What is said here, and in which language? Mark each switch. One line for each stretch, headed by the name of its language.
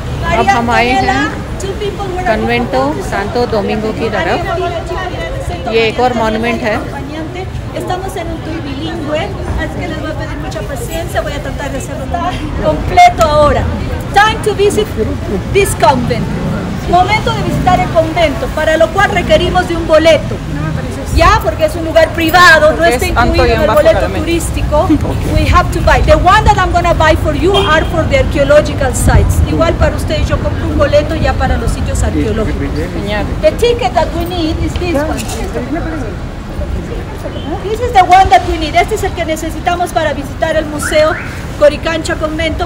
Hindi: Santo Domingo की तरफ ये एक और मॉन्यूमेंट है
Spanish: Estamos en un tour bilingüe, así que les voy a pedir mucha paciencia. Voy a tratar de hacerlo completo ahora.
English: Time to visit this convent.
Spanish: Momento de visitar el convento, para lo cual requerimos de un boleto. Ya, porque es un lugar privado, porque no está incluido en el boleto turístico.
English: Okay. We have to buy. The one that I'm going to buy for you are for the archaeological sites.
Spanish: Igual para ustedes, yo compro un boleto ya para los sitios arqueológicos.
English: The ticket that we need is this one. This is the one that we need.
Spanish: Este es el que necesitamos para visitar el museo Coricancha Convento.